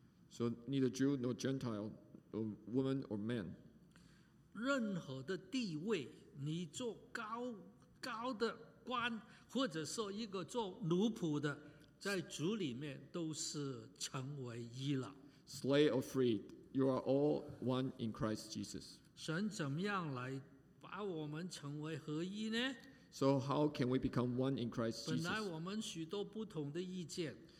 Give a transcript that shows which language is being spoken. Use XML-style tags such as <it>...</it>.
<en>So neither Jew nor Gentile, or woman or man.</en> <zh>任何的地位，你做高高的官，或者说一个做奴仆的，在主里面都是成为一了。</zh> <en>Slave or free. You are all one in Christ Jesus.</en> <zh>神怎么样来把我们成为合一呢？</zh> <en>So how can we become one in Christ Jesus?</en> <zh>本来我们许多不同的意见。</zh>